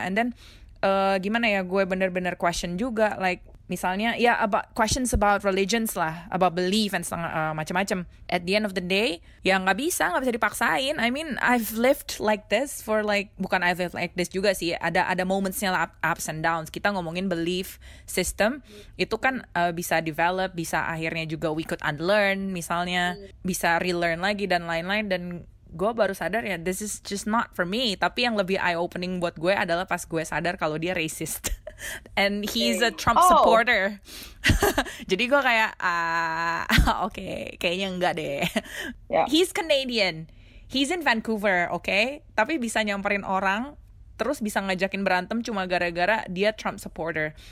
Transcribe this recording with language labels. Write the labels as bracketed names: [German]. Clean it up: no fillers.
[English] And then, gimana ya, gue bener-bener question juga, like, misalnya, about questions about religions lah, about belief and macam-macam. At the end of the day, ya nggak bisa dipaksain. I mean, I've lived like this for like, bukan I've lived like this juga sih. [Indonesian] Ada momentsnya lah, ups and downs. Kita ngomongin belief system, itu kan bisa develop, bisa akhirnya juga we could unlearn, misalnya bisa relearn lagi dan lain-lain. Dan gue baru sadar ya, this is just not for me. Tapi yang lebih eye opening buat gue adalah pas gue sadar kalau dia racist. [English] And he's a Trump supporter. [Indonesian] Jadi gue kayak okay, kayaknya enggak deh. [English] Yeah. [Indonesian] He's Canadian. He's in Vancouver, okay? Tapi bisa nyamperin orang, terus bisa ngajakin berantem cuma gara-gara dia Trump supporter.